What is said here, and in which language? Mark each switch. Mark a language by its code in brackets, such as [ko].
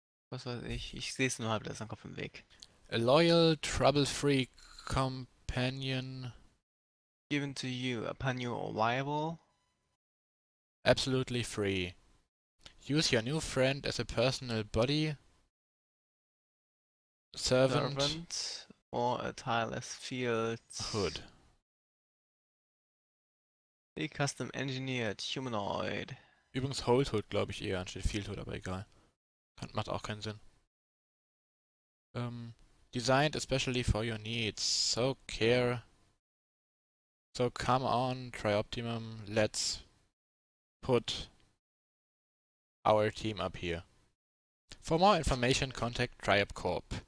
[de] Was weiß ich, ich sehe es nur halb, das ist am Kopf im Weg. [en] A loyal, trouble-free companion. Given to you upon your arrival. Absolutely free. Use your new friend as a personal body. Servant. Or a tireless field. Hood. A custom engineered humanoid. [de] Übrigens Hold Hood, glaube ich, eher anstatt Field Hood, aber egal. Macht auch keinen Sinn. [en] Designed especially for your needs. So care. So come on, try optimum. Let's put our team up here. For more information, contact Triope Corp.